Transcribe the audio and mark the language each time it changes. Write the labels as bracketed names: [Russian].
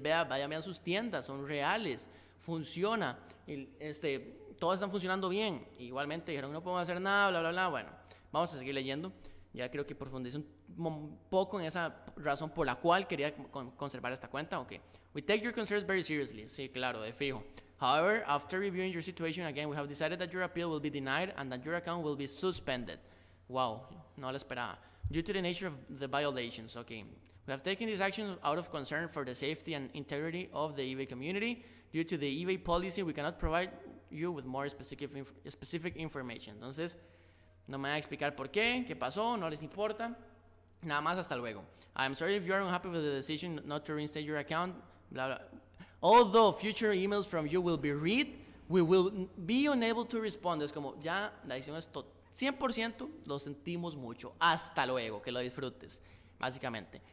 [Spanish] Vea, vayan, vean sus tiendas. Son reales. Funciona. Y, todos están funcionando bien. Y igualmente dijeron, no podemos hacer nada, bla, bla, bla. Bueno, vamos a seguir leyendo. Ya creo que profundice un poco en esa razón por la cual quería conservar esta cuenta. [English] Okay. We take your concerns very seriously. [Spanish] Sí, claro, de fijo. [English] However, after reviewing your situation again, we have decided that your appeal will be denied and that your account will be suspended. Wow, [Spanish] no lo esperaba. [English] Due to the nature of the violations, okay. We have taken these actions out of concern for the safety and integrity of the eBay community. Due to the eBay policy, we cannot provide you with more specific information. [Spanish] Entonces, no me voy a explicar por qué, qué pasó, no les importa. Nada más, hasta luego. [English] I'm sorry if you are unhappy with the decision not to reinstate your account. Blah, blah. Although future emails from you will be read, we will be unable to respond. [Spanish] Es como, ya, la decisión es total. 100% lo sentimos mucho. Hasta luego, que lo disfrutes. Básicamente.